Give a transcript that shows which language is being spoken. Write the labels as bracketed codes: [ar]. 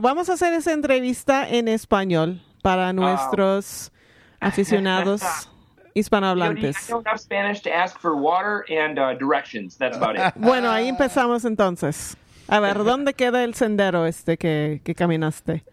[es] Vamos a hacer esa entrevista en español para nuestros aficionados hispanohablantes. [en] I don't have Spanish to ask for water and directions. That's about it. [es] Bueno, ahí empezamos entonces. A ver, ¿dónde queda el sendero este que caminaste?